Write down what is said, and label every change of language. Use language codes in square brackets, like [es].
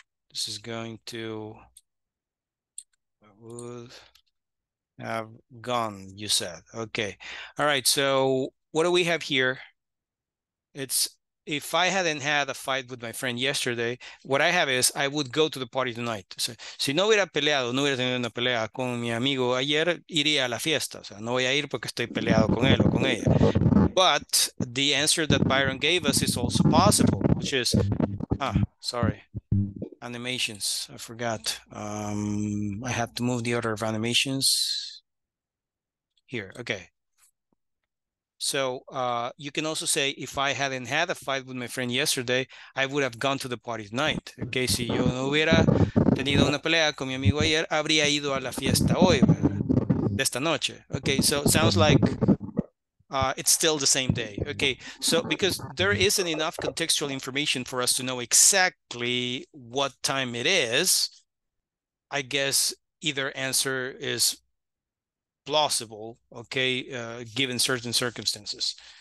[en] This is going to, I would have gone, you said. Okay. All right. So what do we have here? It's, if I hadn't had a fight with my friend yesterday, what I have is I would go to the party tonight. [es] So, si no hubiera peleado, no hubiera tenido una pelea con mi amigo ayer, iría a la fiesta. O sea, no voy a ir porque estoy peleado con él o con ella. [en] But the answer that Byron gave us is also possible, which is, animations. I forgot. I have to move the order of animations here. Okay. So you can also say, if I hadn't had a fight with my friend yesterday, I would have gone to the party tonight. [es] Okay, si yo no hubiera tenido una pelea con mi amigo ayer, habría ido a la fiesta hoy, de esta noche. [en] Okay, so it sounds like it's still the same day. Okay, so because there isn't enough contextual information for us to know exactly what time it is, I guess either answer is plausible, okay, given certain circumstances.